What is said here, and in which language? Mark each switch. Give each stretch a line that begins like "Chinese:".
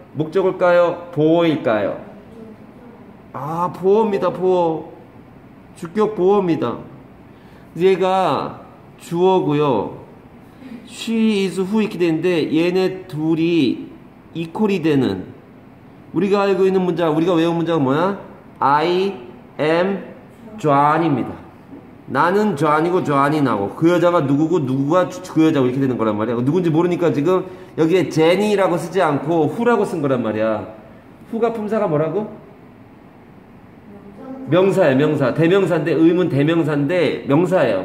Korean: 목적어일까요? 보호일까요? 아, 보호입니다. 보호. 주격 보호입니다. 얘가 주어고요.
English: She is who
Korean: 이렇게 되는데 얘네 둘이 이퀄이 되는 우리가 알고 있는 문장, 우리가 외운 문장은 뭐야?
English: I am John입니다.
Korean: 나는 John이고 John이 나고 그 여자가 누구고 누구가 그 여자고 이렇게 되는 거란 말이야. 누군지 모르니까 지금 여기에 Jenny라고 쓰지 않고 Who라고 쓴 거란 말이야. Who가 품사가 뭐라고? 명사야. 명사. 대명사인데 의문 대명사인데 명사예요.